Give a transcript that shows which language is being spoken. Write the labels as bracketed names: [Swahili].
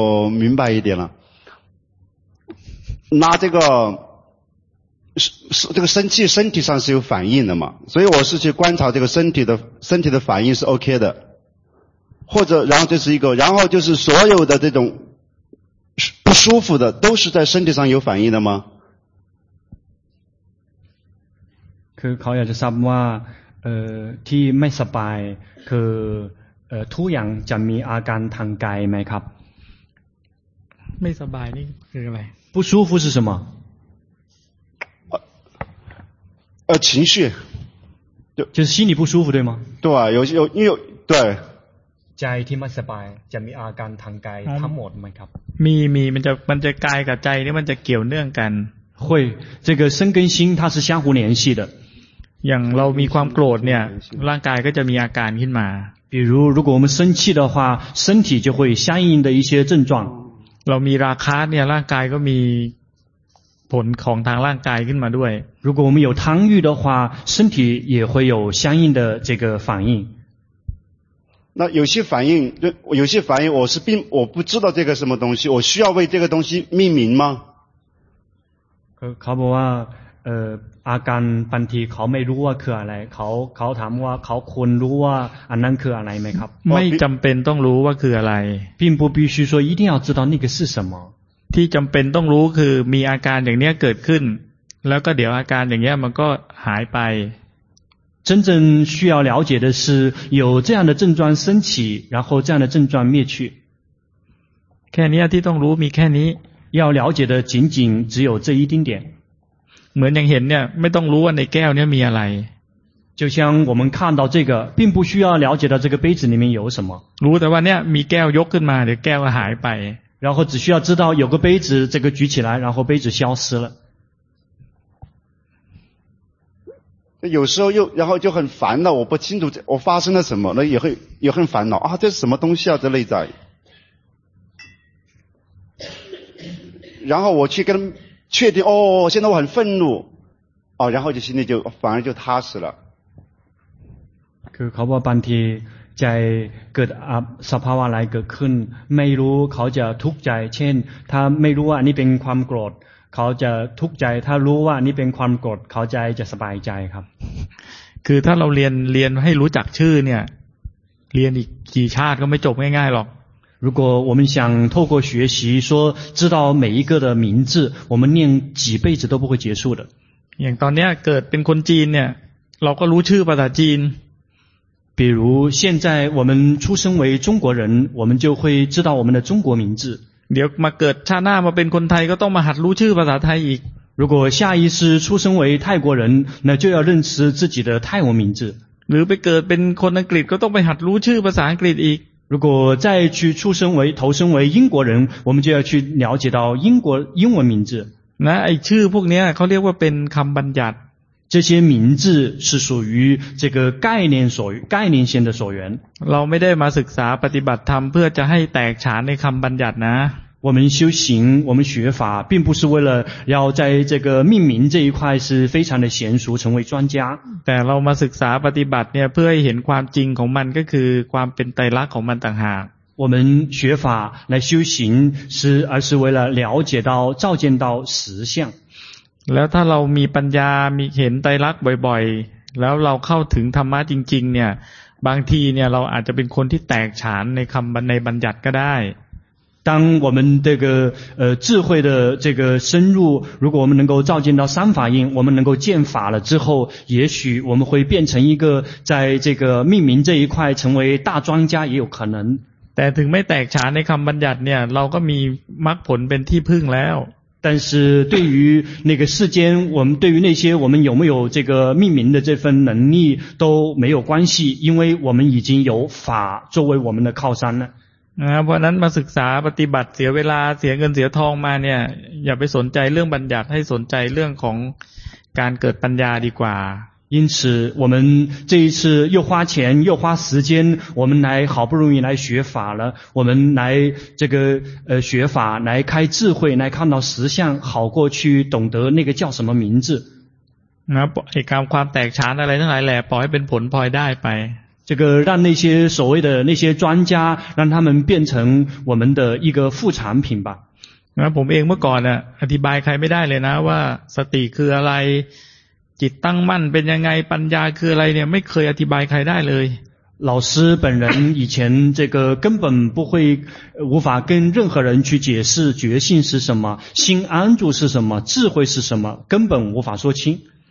[Chinese] 明白一点了那这个这个生气身体上是有反应的嘛所以我是去观察这个身体的反应是 OK 的或者然后这是一个然后就是所有的这种不舒服的都是在身体上有反应的吗 [Thai] คือเขาอยากจะทราบว่าที่ไม่สบายคือทุกอย่างจะมีอาการทางกายไหมครับ ไม่สบายนี่คืออะไร [Chinese] 不舒服是什么情绪就是心里不舒服对吗对啊有对 [Thai] ใจที่ไม่สบายจะมีอาการทางกายทั้งหมดไหมครับ มีมันจะกายกับใจนี่มันจะเกี่ยวเนื่องกัน [Chinese] 会这个身跟心它是相互联系的 [Thai] อย่างเรามีความโกรธเนี่ยร่างกายก็จะมีอาการขึ้นมา [Chinese] 比如如果我们生气的话身体就会相应的一些症状 [Thai] เรามีราคะเนี่ยร่างกายก็มีผลของทางร่างกายขึ้นมาด้วย [Chinese] 如果我们有贪欲的话身体也会有相应的这个反应那有些反应，有些反应，我不知道这个什么东西，我需要为这个东西命名吗？ [Thai] เขาบอกว่าอาการบางทีเขาไม่รู้ว่าคืออะไรเขาถามว่าเขาควรรู้ว่าอันนั้นคืออะไรไหมครับ ไม่จำเป็นต้องรู้ว่าคืออะไร [Chinese] 并不必须说一定要知道那个是什么 [Thai] ที่จำเป็นต้องรู้คือมีอาการอย่างนี้เกิดขึ้น然后เดี๋ยว อาการอย่างเงี้ยมันก็หายไป [Chinese] 真正需要了解的是有这样的症状升起然后这样的症状灭去 [Thai] แค่นี้ที่ต้องรู้มีแค่นี้ [Chinese] 要了解的仅仅只有这一丁点 [Thai] เหมือนอย่างเห็นเนี่ยไม่ต้องรู้ว่าในแก้วเนี่ยมีอะไร [Chinese] 就像我们看到这个并不需要了解到这个杯子里面有什么 [Thai] รู้แต่ว่าเนี่ยมีแก้วยกขึ้นมาเดี๋ยวแก้วหายไป [Chinese] 然后只需要知道有个杯子这个举起来然后杯子消失了有时候又然后就很烦恼我不清楚我发生了什么那也会也很烦恼啊这是什么东西啊这内在然后我去跟他确定哦现在我很愤怒哦然后就心里就反而就踏实了 [Thai] คือเขาบอกบางทีใจเกิดสภาวะอะไรเกิดขึ้นไม่รู้เขาจะทุกข์ใจเช่นถ้าไม่รู้ว่าอันนี้เป็นความโกรธเขาจะทุกข์ใจถ้ารู้ว่าอันนี้เป็นความโกรธเขาใจจะสบายใจครับ คือถ้าเราเรียนให้รู้จักชื่อเนี่ยเรียนอีกกี่ชาติก็ไม่จบง่ายๆหรอก [Chinese] 如果我们想透过学习说知道每一个的名字我们念几辈子都不会结束的 [Thai] อย่างตอนนี้เกิดเป็นคนจีนเนี่ยเราก็รู้ชื่อภาษาจีน [Chinese] 比如现在我们出生为中国人我们就会知道我们的中国名字 [Thai] เดี๋ยวมาเกิดชาติหน้ามาเป็นคนไทยก็ต้องมาหัดรู้ชื่อภาษาไทยอีก [Chinese] 如果下一世出生为泰国人那就要认识自己的泰文名字 [Thai] หรือไปเกิดเป็นคนอังกฤษก็ต้องไปหัดรู้ชื่อภาษาอังกฤษอีก [Chinese] 如果再去出生为投生为英国人我们就要去了解到英文名字 [Thai] นะไอ้ชื่อพวกนี้เขาเรียกว่าเป็นคำบัญญัติ [Chinese] 这些名字是属于这个概念所概念性的所缘 [Thai] เราไม่ได้มาศึกษาปฏิบัติธรรมเพื่อจะให้แตกฉานในคำบัญญัตินะ [Chinese] 我们修行我们学法并不是为了要在这个命名这一块是非常的娴熟成为专家 [Thai] แต่เรามาศึกษาปฏิบัติเนี่ยเพื่อให้เห็นความจริงของมันก็คือความเป็นไตรลักษณ์ของมันต่างหาก [Chinese] 我们学法来修行是而是为了了解到照见到实相 [Thai] แล้วถ้าเรามีปัญญามีเห็นไตรลักษณ์บ่อยๆแล้วเราเข้าถึงธรรมะจริงๆเนี่ยบางทีเนี่ยเราอาจจะเป็นคนที่แตกฉานในคำในบัญญัติก็ได้ [Chinese] 当我们这个智慧的这个深入如果我们能够照见到三法印我们能够见法了之后也许我们会变成一个在这个命名这一块成为大专家也有可能 [Thai] แต่ถึงไม่แตกฉานในคำบัญญัติเนี่ยเราก็มีมรรคผลเป็นที่พึ่งแล้ว [Chinese] 但是对于那个世间我们对于那些我们有没有这个命名的这份能力都没有关系因为我们已经有法作为我们的靠山了 [Thai] เพราะนั้นมาศึกษาปฏิบัติเสียเวลาเสียเงินเสียทองมาเนี่ยอย่าไปสนใจเรื่องบัญญัติให้สนใจเรื่องของการเกิดปัญญาดีกว่า [Chinese] 因此我们这一次又花钱又花时间我们来好不容易来学法了我们来这个学法来开智慧来看到实相好过去懂得那个叫什么名字 [Thai] 那ไอ้ความแตกฉานอะไรทั้งหลายแหละปล่อยให้เป็นผลพลอยได้ไป [Chinese] 这个让那些所谓的那些专家让他们变成我们的一个副产品吧 [Thai] 那ผมเองเมื่อก่อนอ่ะอธิบายใครไม่ได้เลยนะว่าสติคืออะไรจิตตั้งมั่นเป็นยังไงปัญญาคืออะไรเนี่ยไม่เคยอธิบายใครได้เลย [Chinese] 老师本人以前这个根本不会无法跟任何人去解释觉性是什么心安住是什么智慧是什么根本无法说清